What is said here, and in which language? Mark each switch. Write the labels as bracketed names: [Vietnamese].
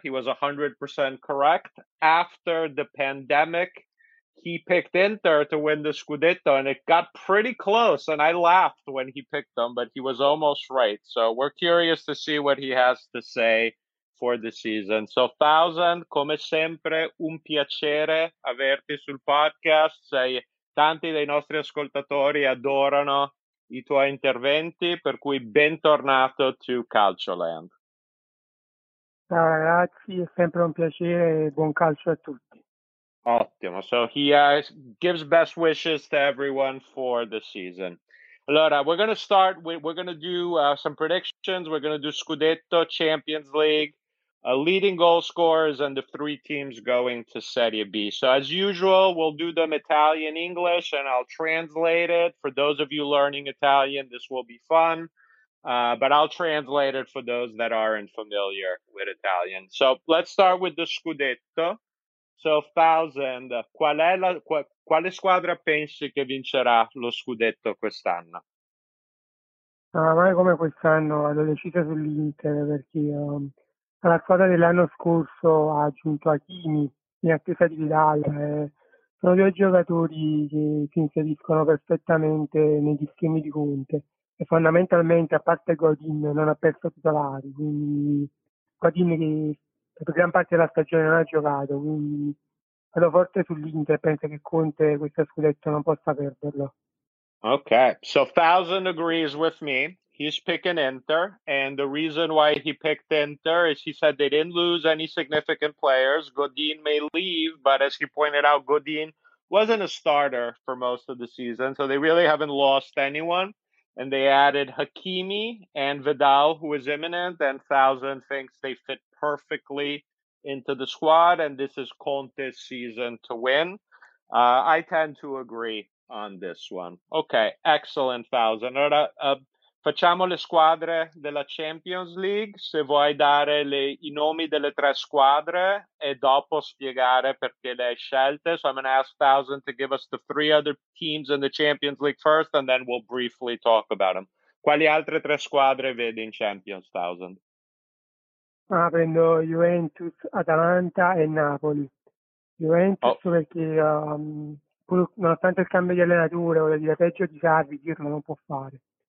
[English] He was 100% correct. After the pandemic, he picked Inter to win the Scudetto, and it got pretty close, and I laughed when he picked them, but he was almost right. So we're curious to see what he has to say for the season. [Italian] So Thousand, come sempre, un piacere averti sul podcast. Sei tanti dei nostri ascoltatori adorano i tuoi interventi, per cui bentornato [English] to Calcioland. [Italian] Ciao ragazzi, è sempre un piacere e buon calcio a tutti. Ottimo, [English] so he gives best wishes to everyone for the season. [Italian] Allora, [English] we're going to start, we're going to do some predictions, we're going to do Scudetto, Champions League, leading goal scorers, and the 3 teams going to Serie B. So as usual, we'll do them Italian-English, and I'll translate it. For those of you learning Italian, this will be fun. But I'll translate it for those that aren't familiar with Italian. So let's start with the Scudetto. [Italian] So, Thousand, quale squadra pensi che vincerà lo Scudetto quest'anno? Mai come quest'anno, l'ho deciso sull'Inter, perché la squadra dell'anno scorso ha aggiunto Hakimi in attesa di Vidal. Sono 2 giocatori che si inseriscono perfettamente negli schemi di Conte. E fondamentalmente, a parte Godin, non ha perso titolari. Quindi Godin, che per gran parte della stagione non ha giocato. Quindi vado forte sull'Inter. Penso che Conte questo scudetto non possa perderlo. [English] Ok, so Thousand agrees with me. He's picking Inter, and the reason why he picked Inter is he said they didn't lose any significant players. Godin may leave, but as he pointed out, Godin wasn't a starter for most of the season, so they really haven't lost anyone. And they added Hakimi and Vidal, who is imminent, and Thousand thinks they fit perfectly into the squad, and this is Conte's season to win. I tend to agree on this one. Okay, excellent, Thousand. [Italian] Facciamo le squadre della Champions League, se vuoi dare i nomi delle tre squadre e dopo spiegare perché le hai scelte. [English] So I'm going to ask Thousand to give us the three other teams in the Champions League first and then we'll briefly talk about them. [Italian] Quali altre tre squadre vedi in Champions, Thousand? Ah, prendo Juventus, Atalanta e Napoli. Juventus perché nonostante il cambio di allenatore, voglio dire, peggio di Sarri, Pirlo non può fare.